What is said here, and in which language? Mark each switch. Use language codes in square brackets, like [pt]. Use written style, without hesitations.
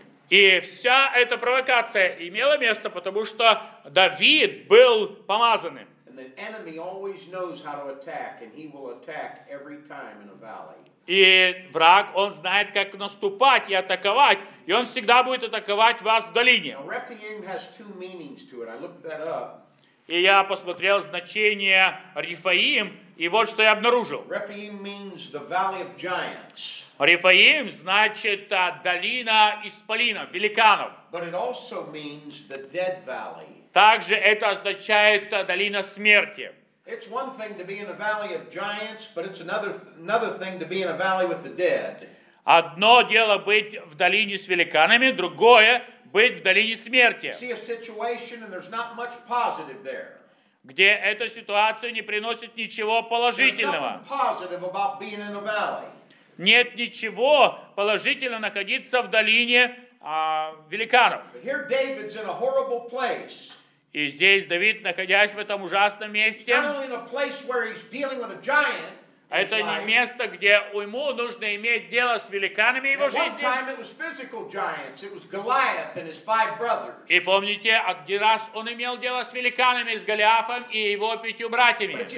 [ru] И вся эта провокация имела место, потому что Давид был помазанным. [en] The enemy always knows how to attack, and he will attack every time in a valley. [ru] И враг, он знает, как наступать и атаковать, и он всегда будет атаковать вас в долине. [en] Now, Rephaim has two meanings to it. I looked that up. [ru] И я посмотрел значение Рефаим, и вот что я обнаружил. [en] Rephaim means the valley of giants. [ru] Рефаим значит долина исполинов, великанов. [en] But it also means the dead valley. [ru] Также это означает долина смерти. [en] It's one thing to be in a valley of giants, but it's another thing to be in a valley with the dead. [ru] Одно дело быть в долине с великанами, другое быть в долине смерти. [en] See a situation and there's not much positive there. [ru] Где эта ситуация не приносит ничего положительного. [en] There's nothing positive about being in a valley. [ru] Нет ничего положительного находиться в долине великанов. [en] Here David's in a horrible place. [ru] И здесь Давид, находясь в этом ужасном месте, [en] not only in a place where he's dealing with a giant, [ru] Это не место, где ему нужно иметь дело с великанами его жизни. И помните, один раз он имел дело с великанами, с Голиафом и его пятью братьями.